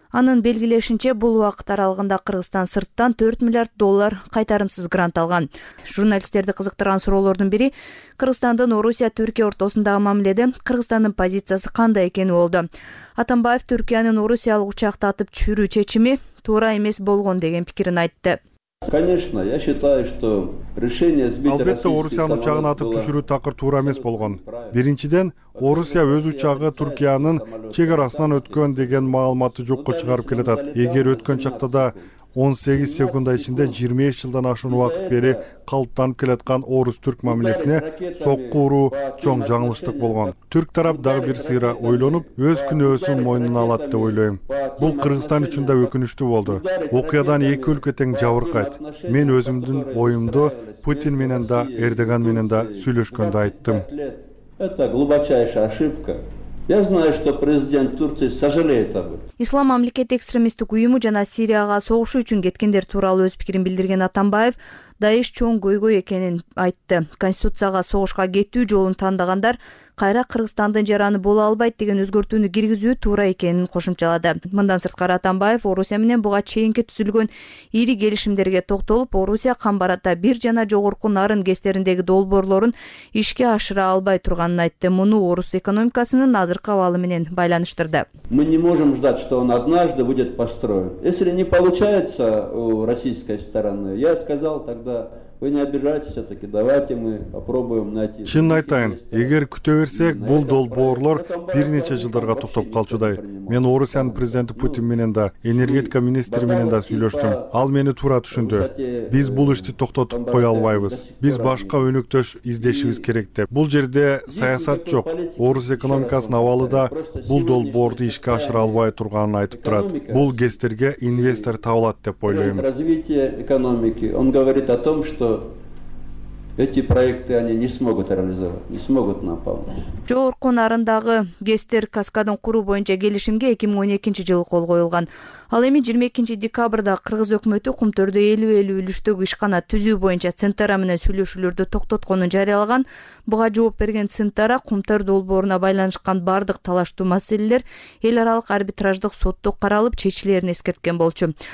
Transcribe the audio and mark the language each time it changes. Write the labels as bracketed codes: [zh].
[ky] Анын белгилешинче, бул убакыт аралыгында Кыргызстан сырттан 4 миллиард доллар кайтарымсыз грант алган. Журналисттерди кызыктырган суроолордун бири Кыргызстандын Орусия-Түркия ортосундагы мамиледе Кыргызстандын позициясы кандай экени болду. Атамбаев Түркиянын орусиялык учакты атып түшүрүү чечими туура эмес болгон деген пикирин айтты. [ru] Конечно, я считаю, что решение сбить [ky] албетте Орусиянын учагын атып түшүрүү такыр туура эмес болгон. Биринчиден, Орусия өз учагы Түркиянын чек арасынан өткөн деген маалыматты жокко чыгарып келатат. Эгер өткөн чакта да 18 секунда ичинде 25 жылдан ашуун убакыт бери калыптанып келаткан орус-түрк мамилесине сокку уруу чоң жаңылыштык болгон. Түрк тарап дагы бир сыйра ойлонуп, өз күнөөсүн мойнуна алат деп ойлойм. Бул Кыргызстан үчүн да өкүнүчтүү болду. Окуядан эки өлкө тең жабыркайт. Мен өзүмдүн оюмду Путин менен да Эрдоган менен да сүйлөшкөндө айттым. [ru] Это глубочайшая ошибка. Я знаю, что президент Турции сожалеет об этом. [ky] Ислам мамлекети экстремисттик уюму жана Сирияга согушу үчүн кеткендер тууралуу өз пикирин билдирген Атамбаев Даиш чоң көйгөй экенин айтты. Конституцияга согушка кетүү жолун тандагандар кайра Кыргызстандын жараны боло албайт деген өзгөртүүнү киргизүү туура экенин кошумчалады. Мындан сырткары Атамбаев Орусия менен буга чейинки түзүлгөн ири келишимдерге токтолуп, Орусия кам барата бир жана жогорку Нарын гестериндеги долбоорлорун ишке ашыра албай турганын айтты. Муну орус экономикасынын азыркы абалы менен байланыштырды. [ru] Мы не можем ждать, что он однажды будет построен. Если не получается у российской стороны, я сказал тогда. Вы не обижайтесь, все-таки давайте мы попробуем найти. [ky] Чын айтайын, эгер күтө берсек, бул долбоорлор бир нече жылдарга токтоп калчудай. Мен Орусиянын президенти Путин менен да, энергетика министри менен да сүйлөштүм. Ал мени туура түшүндү. Биз бул ишти токтотуп кое албайбыз. Биз башка өнүктөш издешибиз керек деп. Бул жерде саясат жок. Орус экономикасынын абалы да бул долбоорду ишке ашыра албай турганын айтып турат. Бул гестерге инвестор табылат деп ойлойм. [ru] Развитие экономики. Он говорит о том, что эти проекты они не смогут реализовать, не смогут нам помочь. [ky] Жогорку Нарындагы гестер каскадын куруу боюнча келишимге 2012 жылы кол коюлган. Ал эми 22 декабрда кыргыз өкмөтү кумтөрдө 50-50 үлүштөгү ишкана түзүү боюнча Центара менен сүйлөшүүлөрдү токтотконун жарыялаган. Буга жооп берген Центара кумтөр долбооруна байланышкан бардык талаштуу маселелер эл аралык арбитраждык сотто каралып чечилерин эскерткен болчу.